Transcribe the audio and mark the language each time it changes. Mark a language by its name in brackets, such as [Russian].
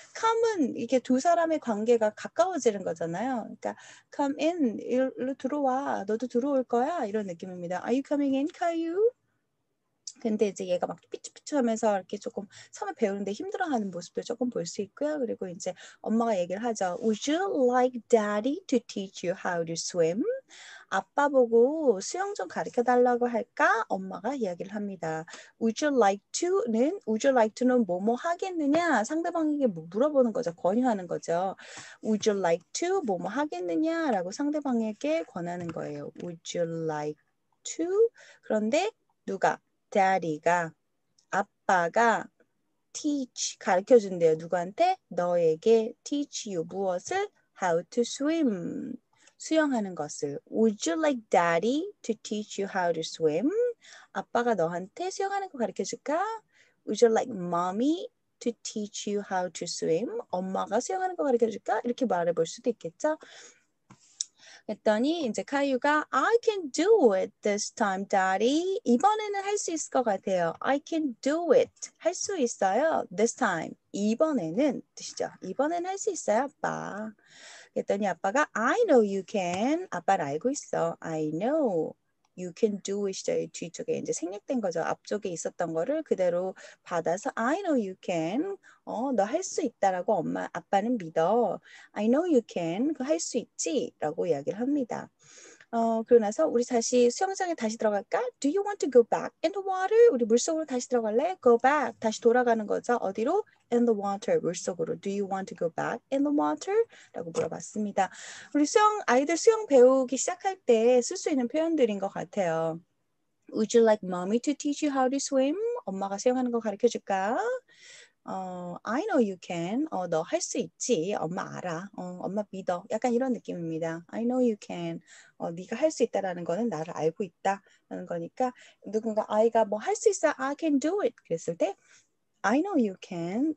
[Korean] come은 이렇게 두 사람의 관계가 가까워지는 거잖아요. 그러니까 [English] come in, [Korean] 이리로 들어와. 너도 들어올 거야. 이런 느낌입니다. [English] Are you coming in, Caillou? [Korean] 근데 이제 얘가 막 삐쭈삐쭈 하면서 이렇게 조금 처음에 배우는데 힘들어하는 모습도 조금 볼 수 있고요. 그리고 이제 엄마가 얘기를 하죠. [English] Would you like daddy to teach you how to swim? [Korean] 아빠 보고 수영 좀 가르쳐 달라고 할까? 엄마가 이야기를 합니다. [English] Would you like to는? Would you like to는 [Korean] 뭐뭐 하겠느냐? 상대방에게 물어보는 거죠. 권유하는 거죠. [English] Would you like to [Korean] 뭐뭐 하겠느냐? 라고 상대방에게 권하는 거예요. [English] Would you like to? [Korean] 그런데 누가? Daddy가, 아빠가 teach, 가르쳐준대요. 누구한테? 너에게 [English] teach you [Korean] 무엇을? [English] How to swim. [Korean] 수영하는 것을. [English] Would you like daddy to teach you how to swim? [Korean] 아빠가 너한테 수영하는 거 가르쳐줄까? [English] Would you like mommy to teach you how to swim? [Korean] 엄마가 수영하는 거 가르쳐줄까? 이렇게 말해볼 수도 있겠죠. 했더니 이제 카유가 [English] I can do it this time, daddy. [Korean] 이번에는 할 수 있을 것 같아요. [English] I can do it. [Korean] 할 수 있어요. [English] This time. [Korean] 이번에는 뜻이죠. 이번에는 할 수 있어요, 아빠. 했더니 아빠가 [English] I know you can. [Korean] 아빠는 알고 있어. [English] I know you can do it이죠. [Korean] 뒤쪽에 이제 생략된 거죠. 앞쪽에 있었던 거를 그대로 받아서 I know you can. 어, 너 할 수 있다라고 엄마, 아빠는 믿어. [English] I know you can. [Korean] 그 할 수 있지? 라고 이야기를 합니다. 어, 그러고 나서 우리 다시 수영장에 다시 들어갈까? [English] Do you want to go back in the water? [Korean] 우리 물속으로 다시 들어갈래? [English] Go back. [Korean] 다시 돌아가는 거죠. 어디로? [English] In the water. [Korean] 물속으로. [English] Do you want to go back in the water? [Korean] 라고 물어봤습니다. 우리 수영, 아이들 수영 배우기 시작할 때 쓸 수 있는 표현들인 것 같아요. [English] Would you like mommy to teach you how to swim? [Korean] 엄마가 수영하는 거 가르쳐줄까? [English] I know you can. [Korean] 어, 너 할 수 있지. 엄마 알아. 어, 엄마 믿어. 약간 이런 느낌입니다. [English] I know you can. [Korean] 어, 네가 할 수 있다라는 거는 나를 알고 있다라는 거니까 누군가 아이가 뭐 할 수 있어. [English] I can do it. [Korean] 그랬을 때 [English] I know you can.